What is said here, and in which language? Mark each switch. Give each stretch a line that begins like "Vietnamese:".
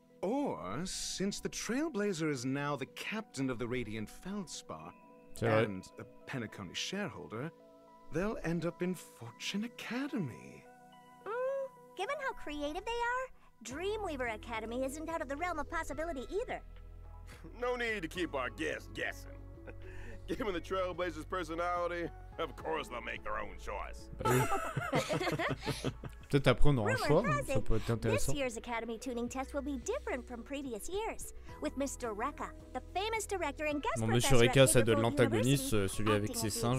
English: Or, since the trailblazer is now the captain of the Radiant Feldspar and a Penacony shareholder, they'll end up in Fortune Academy. Given how creative they are, Dreamweaver Academy isn't out of the realm of possibility either. No need to keep our guests guessing. Given the Trailblazer's personality, of course they'll make their own choice.
French: Peut-être après on aura un choix, ça peut être intéressant.
English: This year's Academy tuning test will be different from previous years, with Mr. Rekka, the famous director and guest professor at Mr.
French: Rekka, ça donne l'antagoniste, celui avec ses singes.